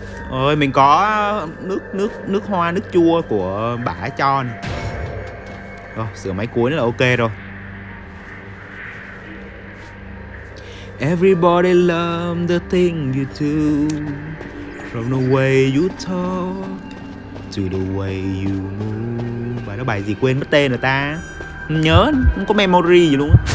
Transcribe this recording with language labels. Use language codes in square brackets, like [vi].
[vi] Ôi, mình có nước nước nước hoa, nước chua của bả cho nè. Rồi, sửa máy cuốn là ok rồi. [en] Everybody love the thing you do, from the way you talk to the way you move. [vi] Bài đó bài gì quên mất tên rồi ta. Nhớ, không có memory gì luôn.